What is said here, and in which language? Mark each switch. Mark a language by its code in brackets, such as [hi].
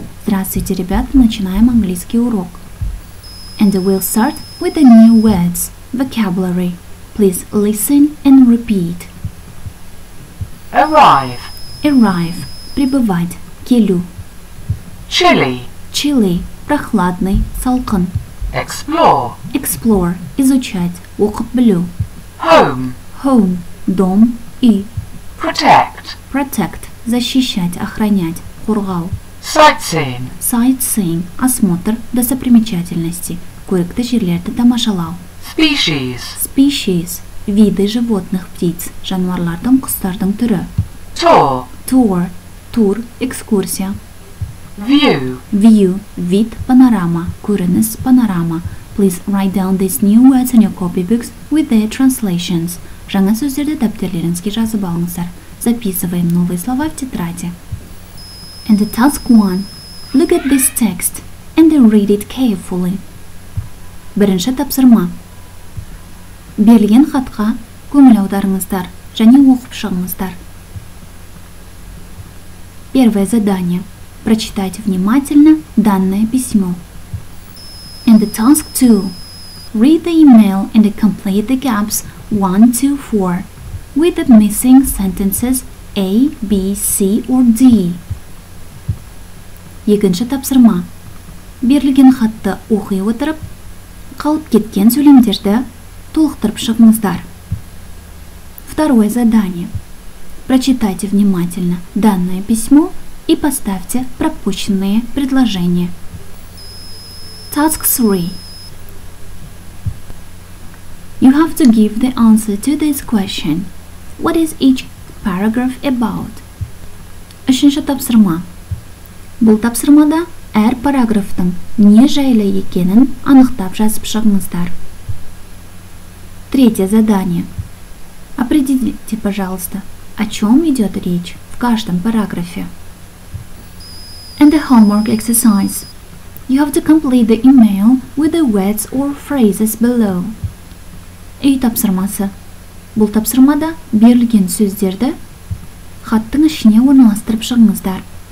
[ru] Здравствуйте, ребята, начинаем английский урок. [en] And we'll start with the new words, vocabulary. Please listen and repeat. Arrive. Arrive. [ru] Прибывать. [kk] Келю. [en] Chilly. Chilly. [ru] Прохладный. [kk] Салкын. [en] Explore. Explore. [ru] Изучать. [kk] Оқып білу. [en] Home. Home. [ru] Дом. [kk] И. [en] Protect. Protect. [ru] Защищать. Охранять. [kk] Қорғау. [en] Sightseeing. Sightseeing. [ru] Осмотр. Достопримечательности. [kk] Көрікті жерлерді тамашалау. [en] Species. Species. [ru] Виды животных, птиц. [kk] Жануарлардың, құстардың түрі. [en] Tour. Tour. [ru] Экскурсия. [en] View. View. [ru] Вид. Панорама. [kk] Көрініс. [ru] Панорама. [en] Please write down these new words in your copybooks with their translations. [kk] Жаңа сөздерді дәптерлеріңізге жазып алыңыздар. [ru] Записываем новые слова в тетради. [en] And the task one. Look at this text and then read it carefully. [kk] Бірінші тапсырма. Берілген хатқа көңіл аударыңыздар және оқып шығыңыздар. [ru] Первое задание. Прочитайте внимательно данное письмо. [en] And the task 2. Read the email and complete the gaps 1, 2, 4 with the missing sentences A, B, C or D. [kk] Екінші тапсырма. Берілген хатты оқи отырып, қалып кеткен сөйлемдерді толықтырып шығыңыздар. [ru] Второе задание. Прочитайте внимательно данное письмо и поставьте пропущенные предложения. [en] Task 3. You have to give the answer to this question. What is each paragraph about? [kk] Үшінші тапсырма. Бұл тапсырмада әр параграфтың не жайлы екенін анықтап жазып шығыңыздар. [ru] Третье задание. Определите, пожалуйста, о чем идет речь в каждом параграфе. [en] And the homework exercise. You have to complete the email with the words or phrases below. [kk] И тапсырмасы. Бұл тапсырмада берілген сөздерді хаттың ішіне орналастырып шығыңыздар.